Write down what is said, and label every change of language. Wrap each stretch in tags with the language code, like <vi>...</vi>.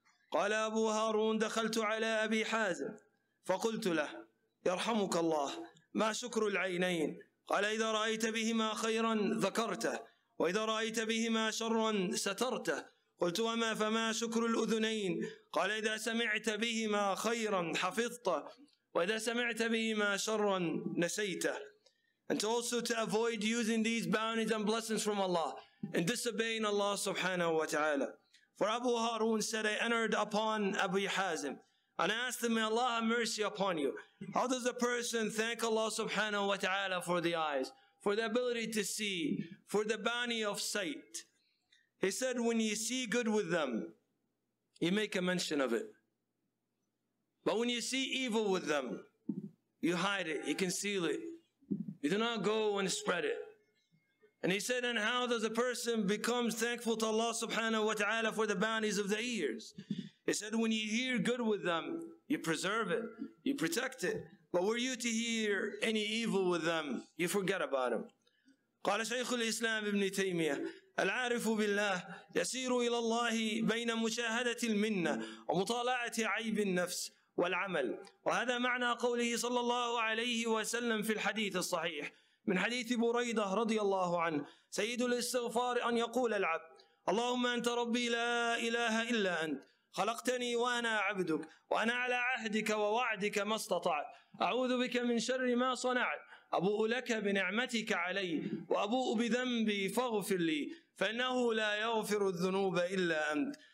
<ar>قال أبو هارون: دخلت على أبي حازم فقلت له: يرحمك الله، ما شكر العينين؟ قال: إذا رأيت بهما خيرا ذكرته، وإذا رأيت بهما شرا سترته. قلت: وما فما شكر الأذنين؟ قال: إذا سمعت بهما خيرا حفظته، وإذا سمعت بهما شرا نسيته.</ar> <en>And to also to avoid using these bounties and blessings from Allah and disobeying Allah subhanahu wa ta'ala. For Abu Harun said, I entered upon Abu Hazim and I asked him, may Allah have mercy upon you. How does a person thank Allah subhanahu wa ta'ala for the eyes, for the ability to see, for the bounty of sight? He said, when you see good with them, you make a mention of it. But when you see evil with them, you hide it, you conceal it. You do not go and spread it. And he said, and how does a person become thankful to Allah subhanahu wa ta'ala for the bounties of the ears? He said, when you hear good with them, you preserve it, you protect it. But were you to hear any evil with them, you forget about them.</en> <ar>قال شيخ الإسلام ابن تيمية: العارف بالله يسير إلى الله بين مشاهدة المنة ومطالعة عيب النفس والعمل. وهذا معنى قوله صلى الله عليه وسلم في الحديث الصحيح من حديث بريدة رضي الله عنه: سيد الاستغفار أن يقول العبد: اللهم أنت ربي لا إله إلا أنت، خلقتني وأنا عبدك، وأنا على عهدك ووعدك ما استطعت، أعوذ بك من شر ما صنعت، أبوء لك بنعمتك علي وأبوء بذنبي فاغفر لي، فإنه لا يغفر الذنوب إلا أنت.</ar>